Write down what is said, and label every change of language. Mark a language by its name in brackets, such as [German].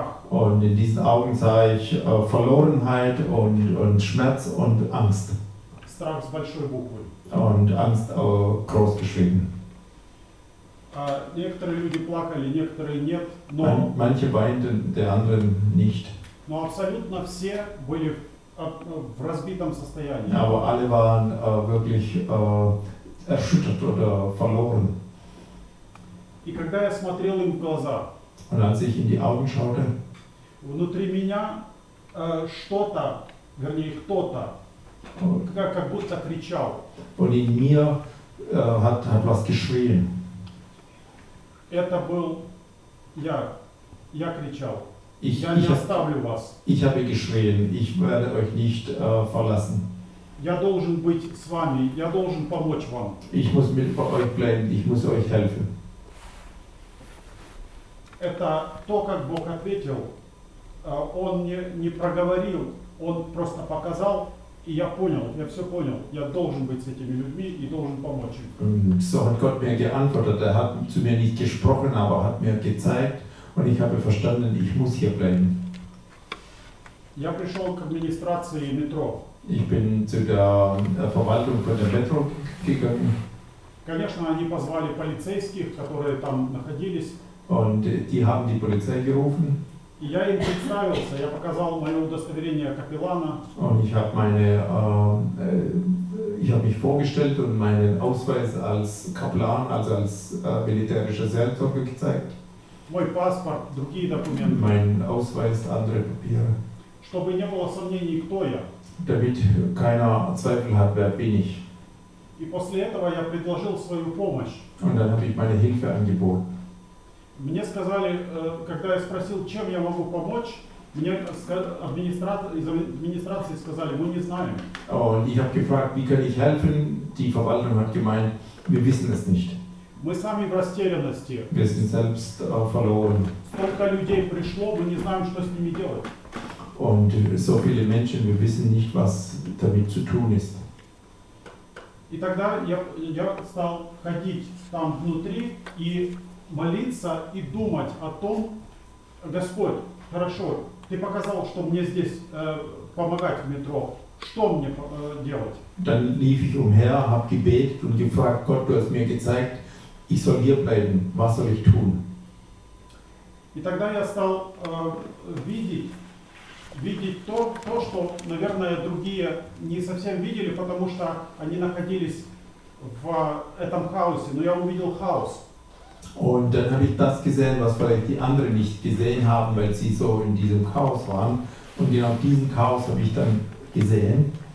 [German] Und in diesen Augen sah ich Verlorenheit und Schmerz und Angst. [Russian] Страх с большой буквы. [German] Und Angst groß geschrieben. [Russian] Некоторые люди плакали, некоторые нет. [German] Но manche weinten, der anderen nicht. [Russian] Но абсолютно все были в разбитом состоянии. [German] Aber alle waren wirklich erschüttert oder verloren. [Russian] И когда я смотрел им в глаза. [German] Und als ich in die Augen schaute, [Russian] внутри меня что-то вернее, кто-то, как будто кричал. [German] Und in mir hat was geschrien. [Russian] Это был я. Я кричал. Я не оставлю вас. [German] Ich habe geschrien. Ich werde euch nicht verlassen. [Russian] Я должен быть с вами. Я должен помочь вам. [German] Ich muss mit euch bleiben. Ich muss euch helfen. [Russian] Это то, как Бог ответил. Он не проговорил. Он просто показал. И я понял. Я все понял. Я должен быть с этими людьми и должен помочь им. [German] So hat Gott mir geantwortet. Hat zu mir nicht gesprochen, aber hat mir gezeigt. Und ich habe verstanden, ich muss hier bleiben. [Russian] Я пришел к администрации метро. [German] Ich bin zu der Verwaltung von der Metro gegangen. [Russian] Конечно, они позвали полицейских, которые там находились. [German] Und die haben die Polizei gerufen. [Russian] И я им представился, я показал мое удостоверение капеллана. [German] Und ich habe mich vorgestellt und meinen Ausweis als Kaplan, also als militärischer Seelsorger gezeigt. [Russian] Мой паспорт, другие документы. [German] Mein Ausweis, andere Papiere. [Russian] Чтобы не было сомнений, кто я. [German] Damit keiner Zweifel hat, wer bin ich. [Russian] И после этого я предложил свою помощь. [German] Und dann habe ich meine Hilfe angeboten. [Russian] Мне сказали, когда я спросил, чем я могу помочь, мне из администрации сказали, мы не знаем. [German] Und ich habe gefragt, wie kann ich helfen? Die Verwaltung hat gemeint, wir wissen es nicht. [Russian] Мы сами в растерянности. [German] Wir sind selbst verloren. [Russian] Столько людей пришло, мы не знаем, что с ними делать. [German] Und so viele Menschen, wir wissen nicht, was damit zu tun ist. [Russian] И тогда я стал ходить там внутри и молиться и думать о том, Господь, хорошо, ты показал, что мне здесь помогать в метро. Что мне делать? [German] Dann lief ich umher, hab gebetet und gefragt, Gott, du hast mir gezeigt, ich soll hier bleiben. Was soll ich tun? [Russian] И тогда я стал видеть то, что, наверное, другие не совсем видели, потому что они находились в этом хаосе. Но я увидел хаос. [German] Und dann habe ich das gesehen, was vielleicht die anderen nicht gesehen haben, weil sie so in diesem Chaos waren. Und genau diesen Chaos habe ich dann gesehen.